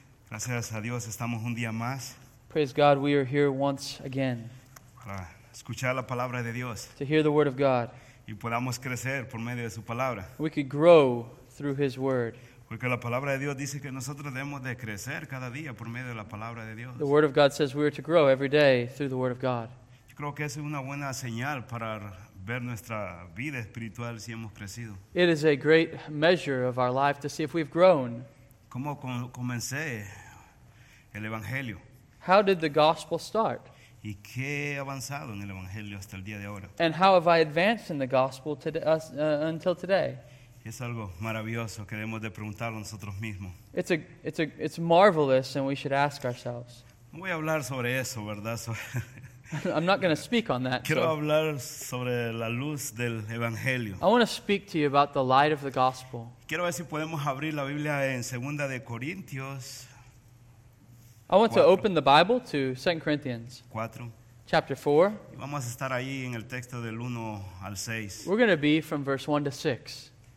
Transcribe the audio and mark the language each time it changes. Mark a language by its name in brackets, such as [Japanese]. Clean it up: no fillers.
[Spanish] Gracias a Dios, estamos un día más. [English] Praise God, we are here once again. [Spanish] Para escuchar la palabra de Dios. [English] To hear the word of God. [Spanish] Y podamos crecer por medio de su palabra. [English] We could grow through his word. [Spanish] Porque la palabra de Dios dice que nosotros debemos de crecer cada día por medio de la palabra de Dios. [English] The word of God says we are to grow every day through the word of God. [Spanish] Yo creo que es una buena señal para ver nuestra vida espiritual si hemos crecido. [English] It is a great measure of our life to see if we've grown. [Spanish] ¿Cómo comencé el evangelio? [English] How did the gospel start? [Spanish] ¿Y qué he avanzado en el evangelio hasta el día de ahora? [English] And how have I advanced in the gospel until today? [Spanish] Es algo maravilloso que debemos de preguntarlo nosotros mismos. [English] It's marvelous and we should ask ourselves. [Spanish] No voy a hablar sobre eso, ¿verdad? [English] I'm not going to speak on that. [Spanish] Quiero hablar sobre la luz del evangelio. [English] I want to speak to you about the light of the gospel. [Spanish] Quiero ver si podemos abrir la Biblia en Segunda de Corintios. [English] I want to open the Bible to 2 Corinthians. [Spanish] 4. [English] Chapter 4. [Spanish] Y vamos a estar ahí en el texto del 1 al 6. [English] We're going to be from verse 1 to 6.